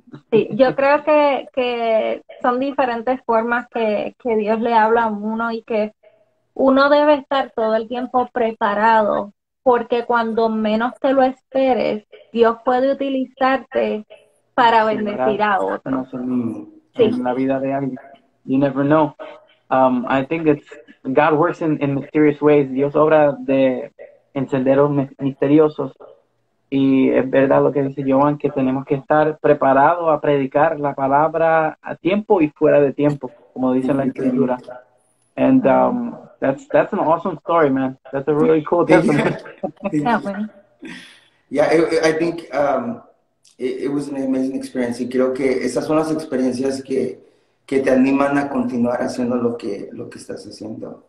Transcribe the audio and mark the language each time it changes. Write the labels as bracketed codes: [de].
[es] Sí, yo creo que son diferentes formas que Dios le habla a uno y que uno debe estar todo el tiempo preparado, porque cuando menos te lo esperes, Dios puede utilizarte para bendecir a otro. Sí. En la vida de alguien. [en] You never know. I think it's God works in mysterious ways. [es] Dios obra de senderos misteriosos. Y es verdad lo que dice Joan, que tenemos que estar preparados a predicar la palabra a tiempo y fuera de tiempo, como dice la escritura. [en] And that's an awesome story, man. That's a really cool testimony. Yeah, I think it was an amazing experience. [es] Y creo que esas son las experiencias que te animan a continuar haciendo lo que estás haciendo.